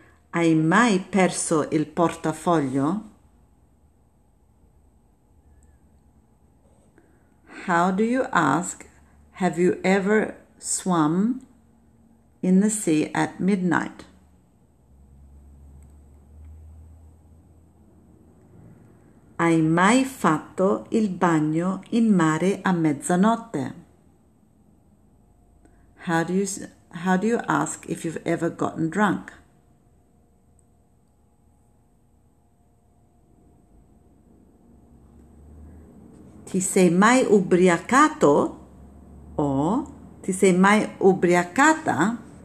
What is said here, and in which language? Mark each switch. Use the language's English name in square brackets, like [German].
[Italian] Hai mai perso il portafoglio? [English] How do you ask, have you ever swum in the sea at midnight? [Italian] Hai mai fatto il bagno in mare a mezzanotte? [English] How do you ask if you've ever gotten drunk? [Italian] Ti sei mai ubriacato? O ti sei mai ubriacata?